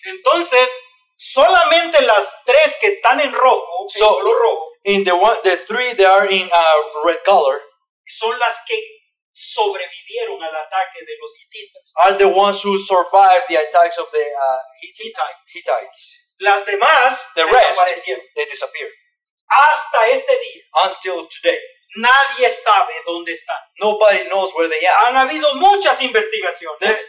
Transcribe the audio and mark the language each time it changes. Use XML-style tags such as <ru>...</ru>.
<es>Entonces, solamente las tres que están en rojo, en color rojo.</es> <en>In the three that are in red color,</en> <es>son las que sobrevivieron al ataque de los hititas.</es> <en>Are the ones who survived the attacks of the Hittites.</en> <es>Las demás,</es> <en>the rest, they disappeared.</en> <es>Hasta este día.</es> <en>Until today.</en> <es>Nadie sabe dónde están.</es> <en>Nobody knows where they are.</en> <es>Han habido muchas investigaciones.</es>